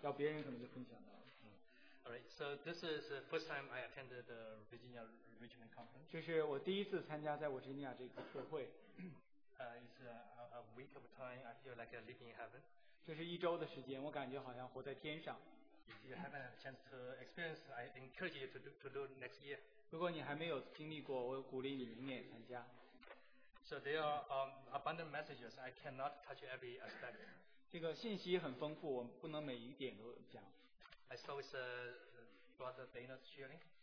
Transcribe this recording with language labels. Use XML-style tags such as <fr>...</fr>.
<en>Alright, so this is the first time I attended the Virginia Richmond Conference.</en> <zh>这是我第一次参加在我维吉尼亚这个特会。</zh> <en>It's a week of time, I feel like I'm living in heaven.</en> <zh>这是一周的时间, 我感觉好像活在天上。</zh> <en>If you haven't had a chance to experience, I encourage you to do next year.</en> <zh>如果你还没有经历过,</zh> <en>so there are abundant messages. I cannot touch every aspect.</en> <zh>这个信息很丰富,</zh> <en>I saw it's brother Dana's sharing.</en>